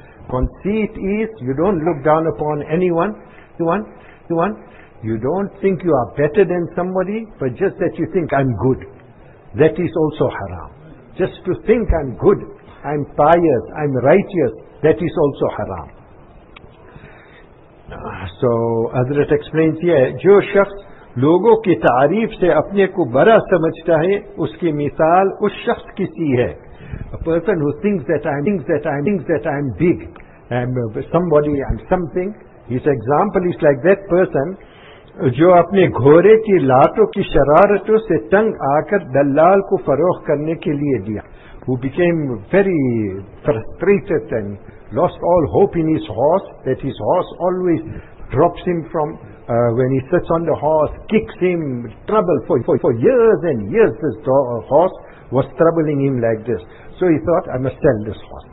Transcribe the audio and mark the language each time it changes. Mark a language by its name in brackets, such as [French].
[English] Conceit is you don't look down upon anyone. You don't think you are better than somebody, but just that you think I'm good. That is also haram. Just to think I'm good, I'm pious, I'm righteous, that is also haram. So, Hazrat explains here, [Urdu] jo shakhs لوگوں کی تعریف سے اپنے کو برا سمجھتا ہے اس کی مثال اس شخص کی سی ہے [English] A person who thinks that I'm big, I'm somebody, I'm something. His example is like that person, [Urdu] جو اپنے گھوڑے کی لاتوں کی شرارتوں سے تنگ آ کر دلال کو فروخت کرنے کے لیے دیا. [English] Who became very frustrated and lost all hope in his horse, that his horse always drops him from when he sits on the horse, kicks him, trouble for years and years. This horse was troubling him like this. So he thought, I must sell this horse.